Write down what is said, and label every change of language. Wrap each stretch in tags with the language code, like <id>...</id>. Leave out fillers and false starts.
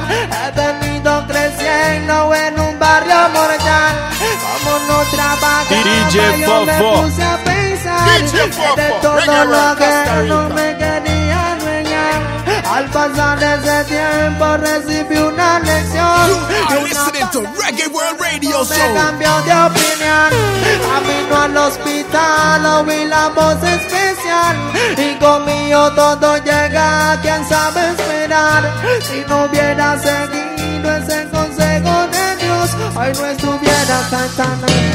<es>He venido creciendo en un barrio mortal. Como no trabajaba, yo me puse a pensar de todo lo que no me quería dueñar. Al pasar ese tiempo recibí una lección.</es> <en>You are listening to Reggae World Radio Show.</en> <es>Me cambió de opinión. Camino al hospital, oí la voz especial. Y conmigo todo llega, quién sabe esperar. Si no hubiera seguido ese consejo de Dios, hoy no estuviera cantando.</es>